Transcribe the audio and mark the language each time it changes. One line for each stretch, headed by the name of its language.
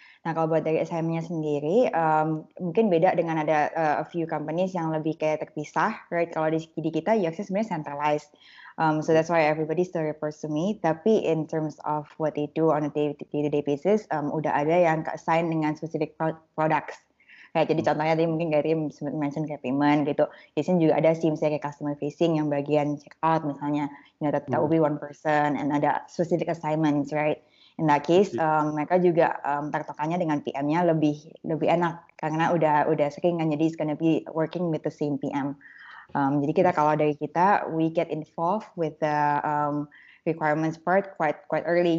Indonesian: Nah kalau buat dari SM-nya sendiri, mungkin beda dengan ada
English: a few companies
Indonesian: yang lebih kayak terpisah,
English: right?
Indonesian: Kalau di kita UX-nya sebenarnya centralized.
English: So that's why everybody still reports to me. Tapi in terms of what they do on a day-to-day basis,
Indonesian: udah ada yang assign dengan specific products. Kayak jadi contohnya tadi mungkin Gary mention kayak payment gitu. Di sini juga ada sih misalnya kayak customer facing yang bagian check out misalnya.
English: You know, that will be one person and
Indonesian: ada specific assignments,
English: right? In that case,
Indonesian: mereka juga tertokannya dengan PM-nya lebih enak. Karena udah sering kan, jadi
English: it's gonna be working with the same PM.
Indonesian: Jadi kita kalau dari kita,
English: we get involved with the requirements part quite early.